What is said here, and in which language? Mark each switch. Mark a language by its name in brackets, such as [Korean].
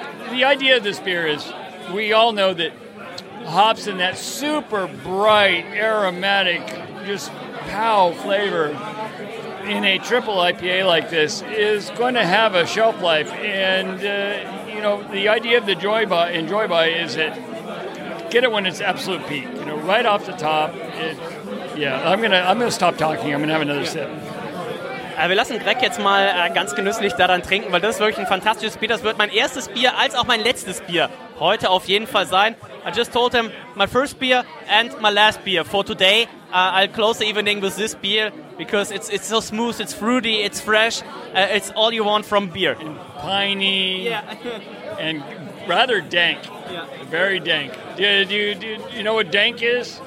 [English] The idea of this beer is, we all know that hops in that super bright, aromatic, just pow flavor in a triple IPA like this is going to have a shelf life. And, you know, the idea of the Enjoy By is that get it when it's absolute peak. You know, right off the top, I'm gonna stop talking. I'm going to have another sip. [German] Wir lassen Greg jetzt mal ganz genüsslich daran trinken, weil das ist wirklich ein fantastisches Bier. Das wird mein erstes Bier als auch mein letztes Bier heute auf jeden Fall sein. [English] I just told him my first beer and my last beer for today. I'll close the evening with this beer because it's so smooth, it's fruity, it's fresh. It's all you want from beer. And piney. Yeah. And rather dank. Yeah. Very dank. Do you know what dank is?